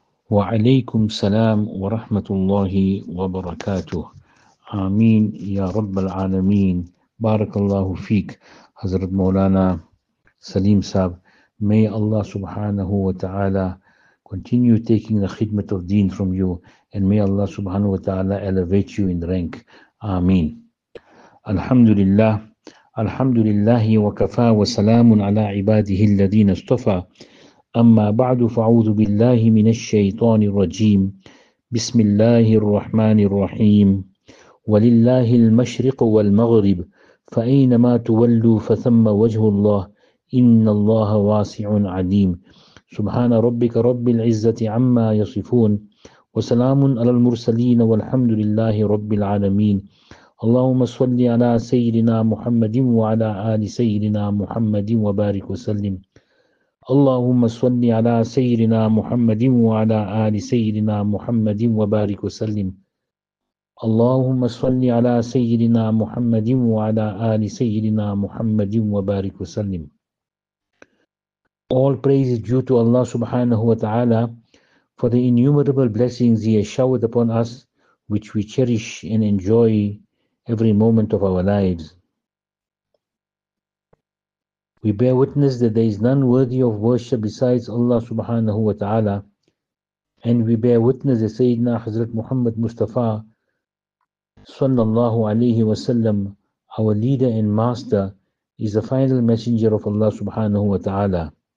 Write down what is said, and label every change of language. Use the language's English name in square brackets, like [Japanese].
[Arabic] وعليكم السلام ورحمة الله وبركاته. آمين يا رب العالمين. بارك الله فيك حضرت مولانا سليم ساب. [English] May Allah subhanahu wa ta'ala continue taking the khidmat of deen from you, and may Allah subhanahu wa ta'ala elevate you in rank. [Arabic] Ameen. Alhamdulillah. Alhamdulillah wa kafa wa salamun ala ibadihi alladhina istafa. Amma ba'du fa'udhu billahi minash shaytanir rajim. Bismillahir rahmanir rahim. Walillahi al-mashriq wal-maghrib. Fa'aynama tuwallu fathamma wajhu Allah. إن الله واسع عليم سبحان ربك رب العزة عما يصفون وسلام على المرسلين والحمد لله رب العالمين اللهم صل على سيدنا محمد وعلى آل سيدنا محمد وبارك وسلم اللهم صل على سيدنا محمد وعلى آل سيدنا محمد وبارك وسلم اللهم صل على سيدنا محمد وعلى آل سيدنا محمد وبارك وسلم. [English] All praise is due to Allah subhanahu wa ta'ala for the innumerable blessings He has showered upon us, which we cherish and enjoy every moment of our lives. We bear witness that there is none worthy of worship besides Allah subhanahu wa ta'ala, and we bear witness that Sayyidina Hazrat Muhammad Mustafa sallallahu alayhi wa sallam, our leader and master, is the final messenger of Allah subhanahu wa ta'ala.